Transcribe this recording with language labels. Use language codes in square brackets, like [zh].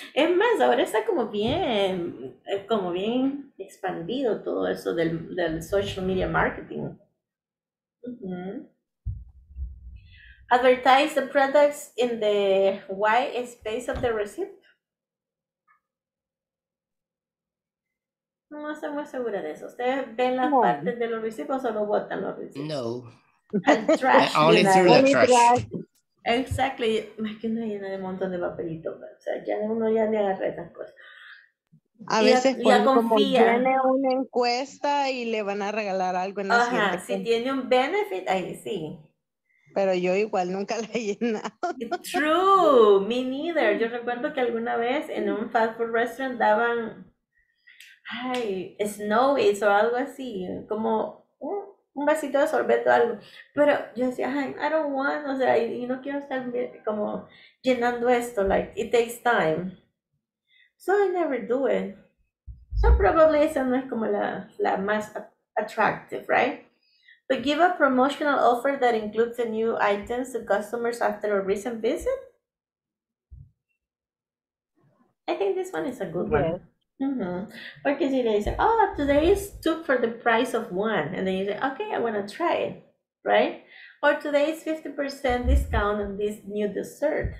[es] Es más, ahora está como bien expandido todo eso del [en] social media marketing. Mm-hmm. Advertise the products in the white space of the receipt. [es] No estoy muy segura de eso. ¿Ustedes ven las partes de los residuos o no botan los residuos? No. [en] And trash. Only through the trash. Exactly. [es] Más que una llena de un montón de papelitos. O sea, ya uno ya le agarra esas cosas. A veces ya, ya tiene una encuesta y le van a regalar algo en la siguiente. Ajá, si tiene un benefit, ahí sí. Pero yo igual nunca la he llenado. [en] True, me neither. [es] Yo recuerdo que alguna vez en un [en] fast food restaurant [es] daban snowies o algo así, como un vasito de sorbeto o algo. Pero yo decía, [en] I don't want, [es] o sea, y no quiero estar como llenando esto, [en] like, it takes time. So I never do it. So probably [es] esa no es como la más [en] attractive, right? But give a promotional offer that includes the new items to customers after a recent visit. I think this one is a good one. Mm-hmm. Or because they say, oh, today is two for the price of one. And then you say, okay, I want to try it, right? Or today is 50% discount on this new dessert.